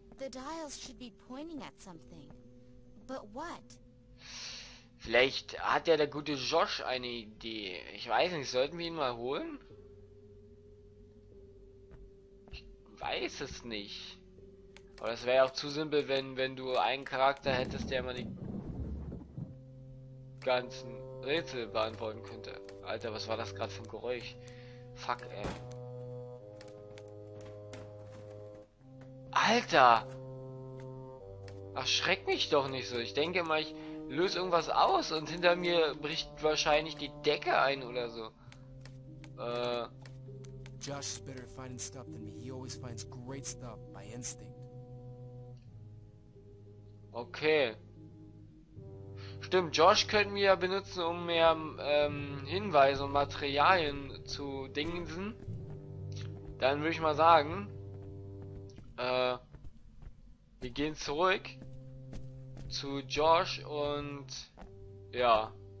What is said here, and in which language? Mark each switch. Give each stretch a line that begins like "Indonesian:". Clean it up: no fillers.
English: The dials should be pointing at something. But what?
German: Vielleicht hat ja der gute Josh eine Idee. Ich weiß nicht, sollten wir ihn mal holen? Ich weiß es nicht. Aber das wäre auch zu simpel, wenn du einen Charakter hättest, der mal die ganzen Rätsel beantworten könnte. Alter, was war das gerade für ein Geräusch? Fuck, ey. Alter! Ach, schreck mich doch nicht so. Ich denke mal, ich löse irgendwas aus und hinter mir bricht wahrscheinlich die Decke ein oder so.
English: Josh is better at finding stuff than me. He always finds great stuff by instinct. Okay.
German: Stimmt, Josh könnten wir ja benutzen, um mehr Hinweise und Materialien zu dingsen. Dann würde ich mal sagen, wir gehen zurück zu Josh und ja.